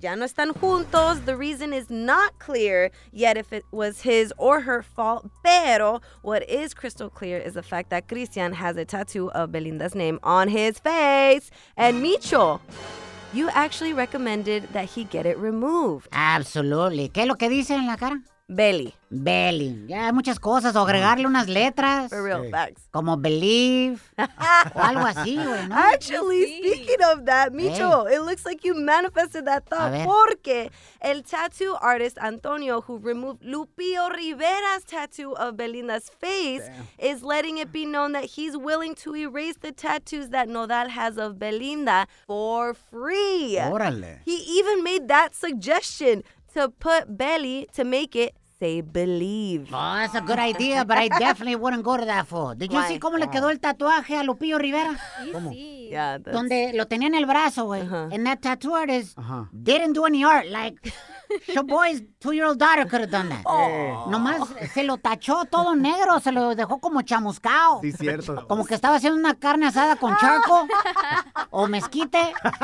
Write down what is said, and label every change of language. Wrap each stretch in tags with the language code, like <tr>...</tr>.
<es>Ya no están juntos.</es> <en>The reason is not clear yet if it was his or her fault.</en> <es>Pero</es> <en>what is crystal clear is the fact that Cristian has a tattoo of Belinda's name on his face. And Micho, you actually recommended that he get it removed.</en> <es>Absolutely. ¿Qué es lo que dice en la cara?</es> <en>Belly.</en> <es>Ya hay muchas cosas. O agregarle unas letras.</es> <en>For real, thanks.</en> <es>Hey. Como believe. O algo así, güey, ¿no?</es> <en>Actually, speaking of that, Micho, it looks like you manifested that thought.</en> <es>Porque el</es> <en>tattoo artist Antonio, who removed Lupio Rivera's tattoo of Belinda's face, is letting it be known that he's willing to erase the tattoos that Nodal has of Belinda for free.</en> <es>Órale.</es> <en>He even made that suggestion. To put belly, to make it, say believe. Oh, that's a good idea, but I definitely wouldn't go to that fool. Did you see</en> <es>cómo le quedó el tatuaje a</es> <en>Lupillo Rivera?</en> <es>¿Cómo?</es> <en>Yeah, that's...</en> <es>Donde lo tenía en el brazo, güey. Uh-huh.</es> <en>And that tattoo artist didn't do any art. Like, your boy's two-year-old daughter could have done that. Oh.</en> <es>Nomás se lo tachó todo negro, se lo dejó como chamuscado. Sí, cierto. Como que estaba haciendo una carne asada con charco o mezquite.</es>